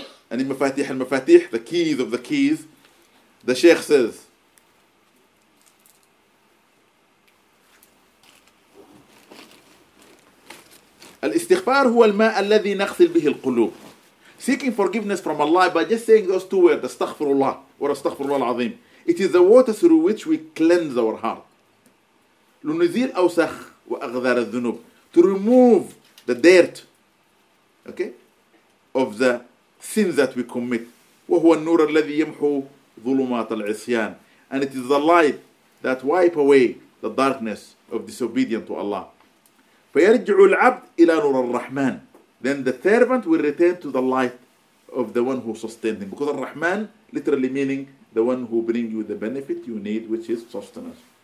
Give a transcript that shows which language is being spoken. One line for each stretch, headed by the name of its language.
English: And in Mafatih al-Mafatih, the keys of the keys, the Shaykh says,
Arabic: الاستغفار هو الماء الذي نغسل به القلوب.
English: Seeking forgiveness from Allah by just saying those two words, استغفر الله or
Arabic: استغفر الله العظيم.
English: It is the water through which we cleanse our heart.
Arabic: لنزيل أوسخ وأغذار الذنوب.
English: To remove the dirt, okay, of the sins that we commit.
Arabic: وهو النور الذي يمحو ظلمات العصيان.
English: And it is the light that wipes away the darkness of disobedience to Allah.
Arabic: فَيَرْجِعُ الْعَبْدِ إِلَى نُورَ الرَّحْمَنِ
English: Then the servant will return to the light of the one who sustained him. Because الرَّحْمَن literally meaning the one who brings you the benefit you need, which is sustenance.